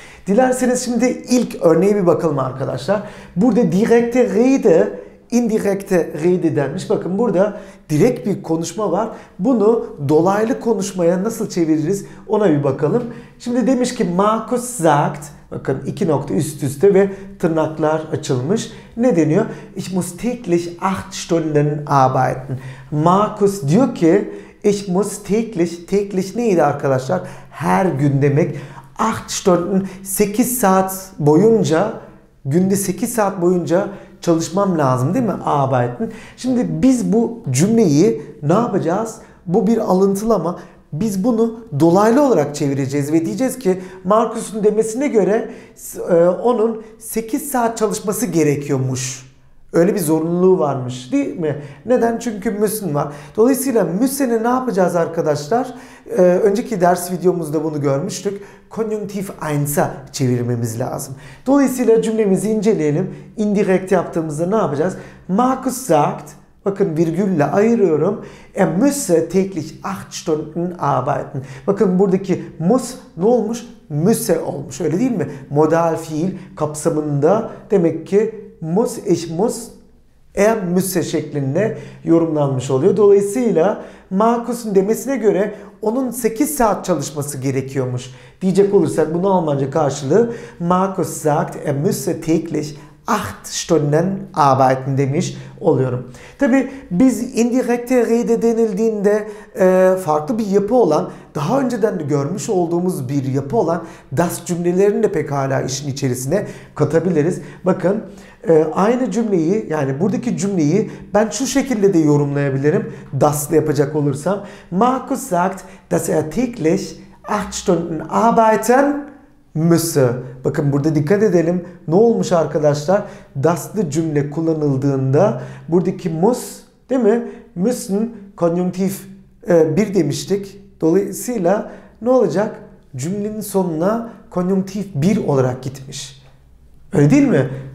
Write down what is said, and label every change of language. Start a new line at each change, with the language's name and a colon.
Turkish: Dilerseniz şimdi ilk örneğe bir bakalım arkadaşlar. Burada direkte rede, indirekte rede denmiş. Bakın burada direkt bir konuşma var. Bunu dolaylı konuşmaya nasıl çeviririz ona bir bakalım. Şimdi demiş ki
German: Markus sagt,
Turkish: bakın iki nokta üst üste ve tırnaklar açılmış. Ne deniyor?
German: Ich muss täglich 8 Stunden arbeiten.
Turkish: Markus diyor ki
German: ich muss täglich
Turkish: neydi arkadaşlar? Her gün demek. 8 Stunden, 8 saat boyunca, günde 8 saat boyunca çalışmam lazım değil mi? Arbeiten. Şimdi biz bu cümleyi ne yapacağız? Bu bir alıntılama. Biz bunu dolaylı olarak çevireceğiz ve diyeceğiz ki Markus'un demesine göre onun 8 saat çalışması gerekiyormuş. Öyle bir zorunluluğu varmış değil mi? Neden? Çünkü müssen var. Dolayısıyla müssen'i ne yapacağız arkadaşlar? Önceki ders videomuzda bunu görmüştük. Konjunktif 1'a çevirmemiz lazım. Dolayısıyla cümlemizi inceleyelim. Indirekt yaptığımızda ne yapacağız?
German: Markus sagt,
Turkish: bakın virgülle ayırıyorum.
German: Er müsse täglich 8 Stunden arbeiten.
Turkish: Bakın buradaki muss ne olmuş? Müsse olmuş. Öyle değil mi? Modal fiil kapsamında demek ki muss,
German: ich muss, er müsse
Turkish: şeklinde yorumlanmış oluyor. Dolayısıyla Markus'un demesine göre onun 8 saat çalışması gerekiyormuş diyecek olursak bunu Almanca karşılığı
German: Markus sagt, er müsse täglich 8 Stunden arbeiten
Turkish: demiş oluyorum. Tabi biz indirekte rede denildiğinde farklı bir yapı olan, daha önceden de görmüş olduğumuz bir yapı olan das cümlelerini de pekala işin içerisine katabiliriz. Bakın aynı cümleyi, yani buradaki cümleyi ben şu şekilde de yorumlayabilirim. Das'la yapacak olursam.
German: Markus sagt, dass er täglich 8 Stunden arbeiten müsse.
Turkish: Bakın burada dikkat edelim. Ne olmuş arkadaşlar? Das'lı cümle kullanıldığında buradaki muss değil mi? Müssen konjunktif 1 demiştik. Dolayısıyla ne olacak? Cümlenin sonuna konjunktif 1 olarak gitmiş. Öyle değil mi?